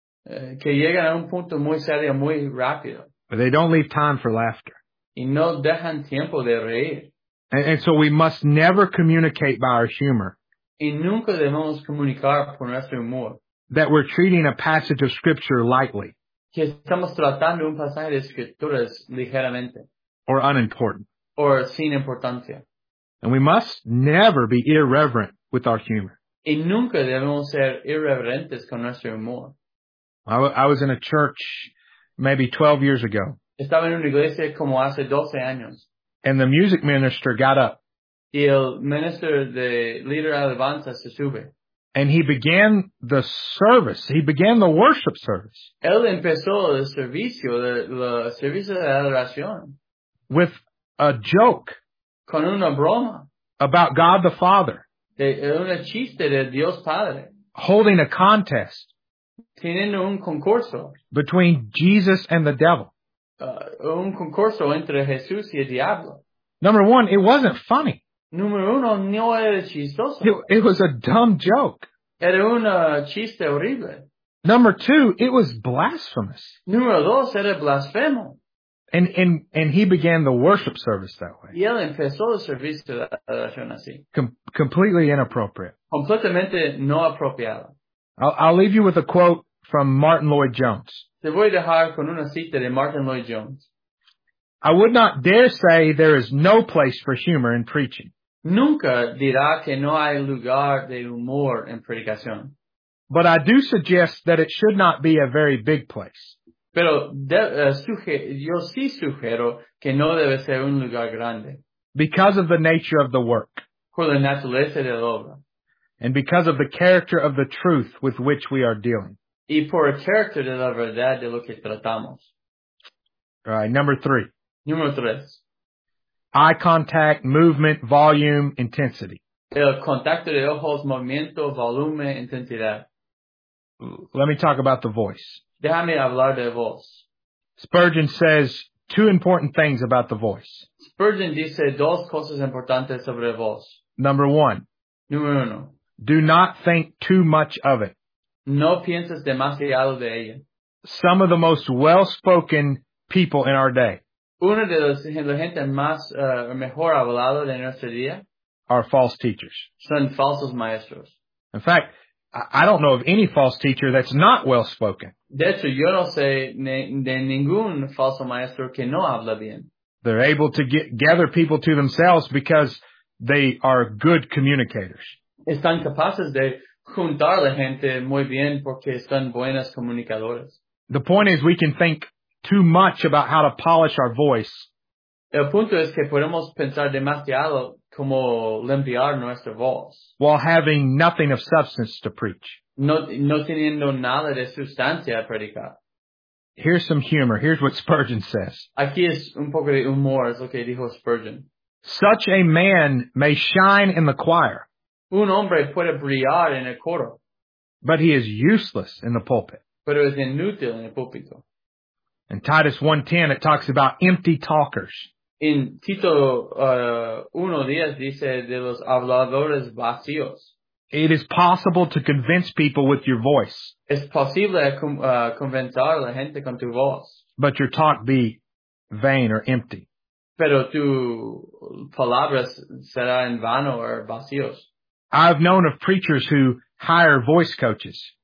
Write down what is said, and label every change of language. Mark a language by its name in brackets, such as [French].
[Spanish] Que llegan a un punto muy serio, muy rápido. [English] But they don't leave time for laughter. [Spanish] Y no dejan tiempo de reír. [English] And so we must never communicate by our humor. [Spanish] Y nunca debemos comunicar por nuestro humor. [English] That we're treating a passage of scripture lightly. [Spanish] Que estamos tratando un pasaje de escrituras ligeramente. [English] Or unimportant. [Spanish] Or sin importancia. [English] And we must never be irreverent with our humor. [Spanish] Y nunca debemos ser irreverentes con nuestro humor. [English] I was in a church maybe 12 years ago. [Spanish] Estaba en una iglesia como hace 12 años. [English] And the music minister got up. [Spanish] Y el minister, [English] the leader [Spanish] alabanza, se sube. [English] And he began the service. He began the worship service. [Spanish] Él empezó el servicio, el servicio de adoración. [English] With a joke. [Spanish] Con una broma. [English] About God the Father. [Spanish] Una chiste de Dios Padre. [English] Holding a contest. [Spanish] Teniendo un concurso. [English] Between Jesus and the devil. [Spanish] Un concurso entre Jesús y el diablo. [English] Number one, it wasn't funny. [Spanish] Número uno, no era chistoso. [English] It was a dumb joke. [Spanish] Era una chiste horrible. [English] Number two, it was blasphemous. [Spanish] Número dos, era blasfemo. [English] And he began the worship service that way. [Spanish] Y él empezó el servicio de adoración así. [English] Completely inappropriate. [Spanish] Completamente no apropiado. [English] I'll leave you with a quote from Martin Lloyd-Jones. [Spanish] Te voy a dejar con una cita de Martin Lloyd-Jones. [English] I would not dare say there is no place for humor in preaching. [Spanish] Nunca dirá que no hay lugar de humor en predicación. [English] But I do suggest that it should not be a very big place. [Spanish] Pero yo sí sugiero que no debe ser un lugar grande. [English] Because of the nature of the work. [Spanish] Por la naturaleza de la obra. [English] And because of the character of the truth with which we are dealing. [Spanish] Y por el carácter de la verdad de lo que tratamos. [English] All right, number three. [Spanish] Número tres. [English] Eye contact, movement, volume, intensity. [Spanish] El contacto de ojos, movimiento, volumen, intensidad. [English] Let me talk about the voice. [Spanish] Déjame hablar de voz. [English] Spurgeon says two important things about the voice. [Spanish] Spurgeon dice dos cosas importantes sobre la voz. [English] Number one. [Spanish] Número uno. [English] Do not think too much of it. [Spanish] No pienses demasiado de ella. [English] Some of the most well-spoken people in our day. [Spanish] Uno de los gente más mejor hablado de nuestro día. [English] Are false teachers. [Spanish] Son falsos maestros. [English] In fact, I don't know of any false teacher that's not well-spoken. [Spanish] De hecho, yo no sé de ningún falso maestro que no habla bien. [English] They're able to gather people to themselves because they are good communicators. [Spanish] están capaces de juntar la gente muy bien porque son buenas comunicadoras. [English] The point is we can think too much about how to polish our voice. [Spanish] El punto es que podemos pensar demasiado cómo limpiar nuestra voz. [English] While having nothing of substance to preach. [Spanish] No teniendo nada de sustancia a predicar. [English] Here's some humor. Here's what Spurgeon says. [Spanish] Aquí es un poco de humor, es lo que dijo Spurgeon. [English] Such a man may shine in the choir. [Spanish] Un hombre puede brillar en el coro. [English] But he is useless in the pulpit. [Spanish] Pero es inútil en el púlpito. [English] In Titus 1:10, it talks about empty talkers. [Spanish] En Tito 1:10 dice de los habladores vacíos. [English] It is possible to convince people with your voice. [Spanish] Es posible convencer a la gente con tu voz. [English] But your talk be vain or empty. [Spanish] Pero tu palabras será en vano o vacíos. [English] I've known of preachers who hire voice coaches.